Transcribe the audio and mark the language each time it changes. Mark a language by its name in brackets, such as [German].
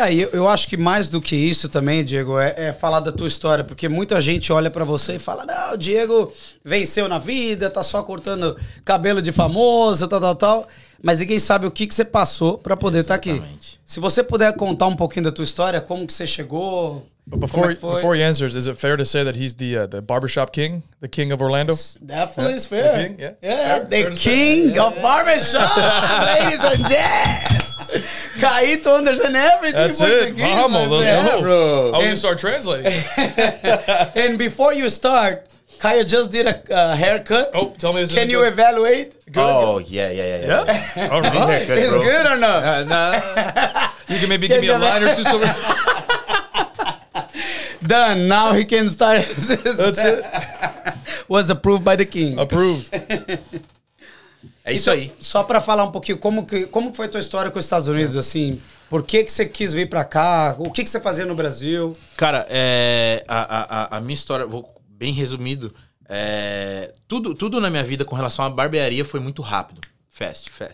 [Portuguese] Eu acho que mais do que isso também, Diego, é falar da tua história, porque muita gente olha pra você e fala, não, o Diego venceu na vida, tá só cortando cabelo de famoso, tal, tal, tal, mas ninguém sabe o que, que você passou pra poder estar aqui. Se você puder contar um pouquinho da tua história, como que você chegou, [English] Before he answers, is it fair to say that he's the barbershop king, the king of Orlando? Definitely is fair. The king, the king of barbershop, ladies and gentlemen. Caíto understand everything. That's it. [Portuguese] Vamos, [English] let's go. I'm going to start translating. And before you start, Caio just did a haircut. Oh, tell me. Can you evaluate? Good. Oh, yeah. All right. Haircut, it's good or no? Nah. You can maybe give me a line or two. So done. Now he can start. That's it. Was approved by the king. Approved. [Portuguese] É isso aí. Só para falar um pouquinho, como foi a tua história com os Estados Unidos, assim? Por que, que você quis vir para cá? O que, que você fazia no Brasil? Cara, a minha história, vou bem resumido, tudo na minha vida com relação à barbearia foi muito rápido. Fast.